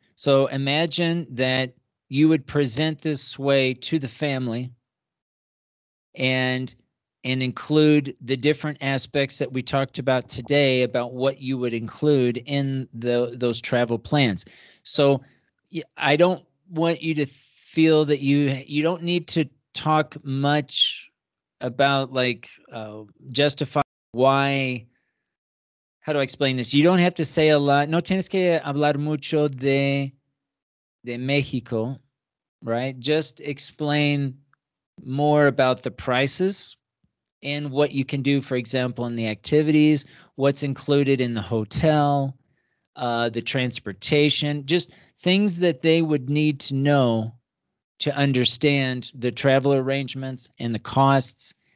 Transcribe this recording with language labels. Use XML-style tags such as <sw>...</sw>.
<en>So imagine that you would present this way to the family and include the different aspects that we talked about today about what you would include in those travel plans. So I don't want you to feel that you don't need to talk much about justify. Why, how do I explain this? You don't have to say a lot.</en> <es>No tienes que hablar mucho de Mexico, right?</es> <en>Just explain more about the prices and what you can do, for example, in the activities, what's included in the hotel, the transportation, just things that they would need to know to understand the travel arrangements and the costs.</en>